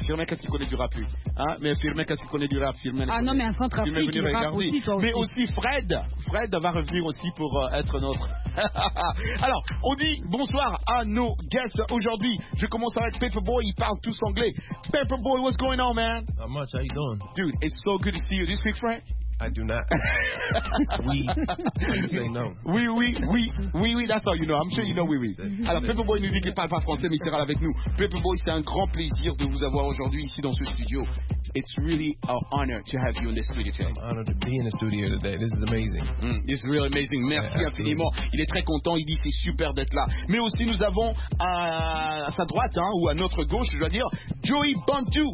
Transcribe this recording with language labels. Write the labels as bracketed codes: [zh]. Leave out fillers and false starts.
[fr] Firmin, qu'est-ce qu'il connaît du rap, lui, hein? Mais Firmin, qu'est-ce qu'il connaît du rap, Firmin? Ah non, mais un centre africain qui rappe aussi, toi aussi. Mais aussi Fred. Fred va revenir aussi pour être notre... Alors, on dit bonsoir à nos guests aujourd'hui. Je commence avec Paperboy, ils parlent tous anglais. [en] Paperboy, what's going on, man? Not much, how you doing? Dude, it's so good to see you. Do you speak French? I do not. Oui, that's all you know. I'm sure you know oui. [fr] Alors, Paperboy nous dit qu'il ne parle pas français, mais il sera là avec nous. Paperboy, c'est un grand plaisir de vous avoir aujourd'hui ici dans ce studio. [en] It's really an honor to have you in the studio today. I'm honored to be in the studio today. This is amazing. It's really amazing. [fr] Merci infiniment. Il est très content. Il dit c'est super d'être là. Mais aussi, nous avons à sa droite, hein, ou à notre gauche, je dois dire, Joey Bantu.